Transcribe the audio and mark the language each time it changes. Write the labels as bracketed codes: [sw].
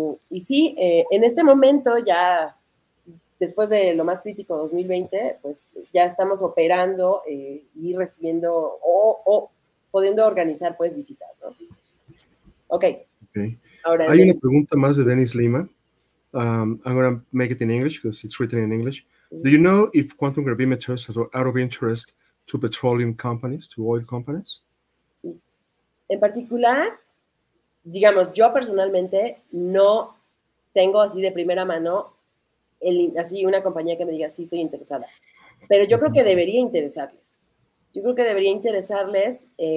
[es] Y sí, en este momento ya, después de lo más crítico 2020, pues ya estamos operando y recibiendo o pudiendo organizar pues visitas, ¿no? Ok, Okay. ahora en Hay una el... pregunta más de Dennis Lima. [en] I'm going to make it in English because it's written in English. Do you know if quantum gravimeters are of interest to petroleum companies, to oil companies? [es] En particular, digamos, yo personalmente no tengo así de primera mano así una compañía que me diga, sí, estoy interesada. Pero yo creo que debería interesarles. Yo creo que debería interesarles.